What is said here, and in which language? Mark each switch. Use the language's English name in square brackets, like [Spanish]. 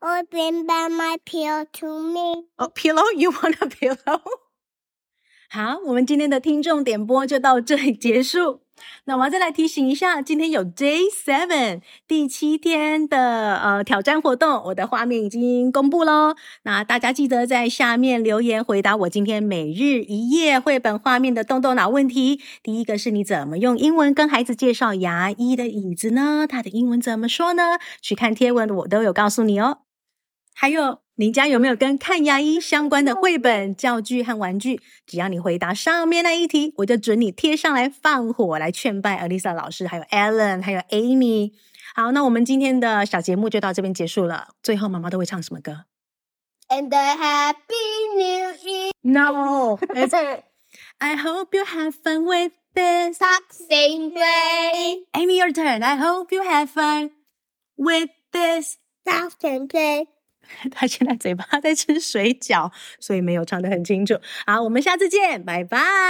[English] Bring back my pillow to me. Oh, pillow? You want a pillow? [Chinese] 好，我们今天的听众点播就到这里结束。那我要再来提醒一下，今天有 Day 7第七天的挑战活动，我的画面已经公布了。那大家记得在下面留言回答我今天每日一页绘本画面的动动脑问题。第一个是你怎么用英文跟孩子介绍牙医的椅子呢？它的英文怎么说呢？去看贴文我都有告诉你哦。还有你家有没有跟看牙医相关的绘本、教具和玩具？只要你回答上面那一题，我就准你贴上来放火，来劝败 Alisa 老师、还有 Ellen、还有 Amy。好，那我们今天的小节目就到这边结束了。最后，妈妈都会唱什么歌 [English] ？And a Happy New Year. No, it's I hope you have fun with this Boxing Day. Amy, your turn. I hope you have fun with this Boxing Day. [Chinese] 他现在嘴巴在吃水饺，所以没有唱得很清楚。好，我们下次见，拜拜，